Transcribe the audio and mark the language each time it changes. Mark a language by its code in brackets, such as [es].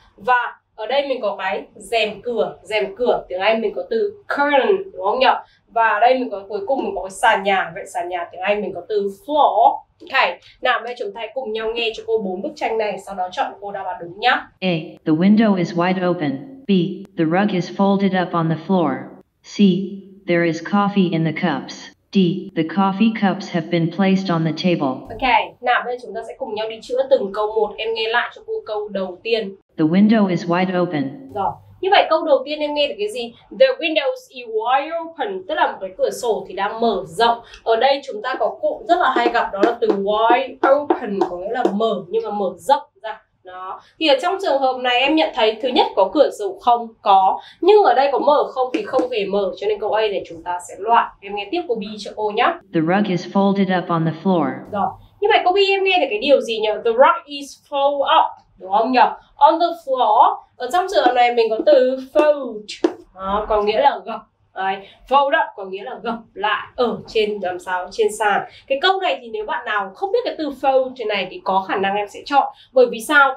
[vi] Và ở đây mình có cái rèm cửa. Rèm cửa tiếng Anh mình có từ curtain đúng không nhỉ? Và ở đây mình có cuối cùng mình có cái sàn nhà. Vậy sàn nhà tiếng Anh mình có từ floor. Ok, nào bây giờ chúng ta cùng nhau nghe cho cô bốn bức tranh này. Sau đó chọn cô đáp án đúng nhá. [en] A. The window is wide open. B. The rug is folded up on the floor. C. There is coffee in the cups. D. The coffee cups have been placed on the table. [vi] Ok, nào bây giờ chúng ta sẽ cùng nhau đi chữa từng câu một. Em nghe lại cho cô câu đầu tiên. [en] The window is wide open. [vi] Rồi. Như vậy câu đầu tiên em nghe được cái gì? [en] The window is wide open, [vi] tức là một cái cửa sổ thì đang mở rộng. Ở đây chúng ta có cụm rất là hay gặp, đó là từ wide open, có nghĩa là mở nhưng mà mở rộng ra. Đó. Thì ở trong trường hợp này em nhận thấy thứ nhất có cửa sổ không? Có. Nhưng ở đây có mở không thì không hề mở, cho nên câu A để chúng ta sẽ loại. Em nghe tiếp cô B cho cô nhá. [en] The rug is folded up on the floor. [vi] Rồi. Như vậy cô B em nghe được cái điều gì nhỉ? [en] The rug is folded up. [vi] Đúng không nhỉ? [en] On the floor, [vi] ở trong trường hợp này mình có từ fold, đó, có nghĩa là gập. Đấy. Fold up có nghĩa là gập lại ở trên làm sao, trên sàn. Cái câu này thì nếu bạn nào không biết cái từ fold này thì có khả năng em sẽ chọn. Bởi vì sao?